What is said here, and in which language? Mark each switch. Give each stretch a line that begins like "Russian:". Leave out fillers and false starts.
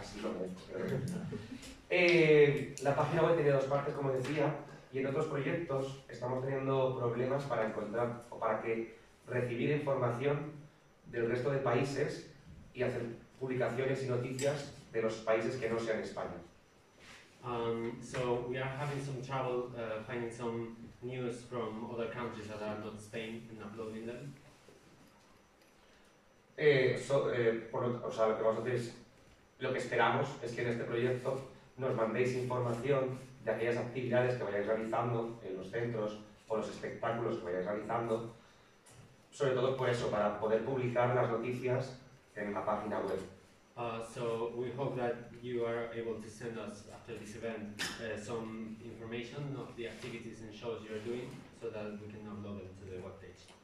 Spanish: Así lo la página web tenía dos partes, como decía, y en otros proyectos estamos teniendo problemas para encontrar o para que recibir información del resto de países y hacer publicaciones y noticias de los países que no sean España.
English: So we are having some trouble finding some news from other countries that are not Spain and uploading them.
Spanish: Lo que vamos a hacer es, lo que esperamos es que en este proyecto nos mandéis información de aquellas actividades que vayáis realizando en los centros o los espectáculos que vayáis realizando, sobre todo por eso, para poder publicar las noticias en la página web.
English: So we hope that you are able to send us after this event some information of the activities and shows you are doing so that we can upload them to the webpage.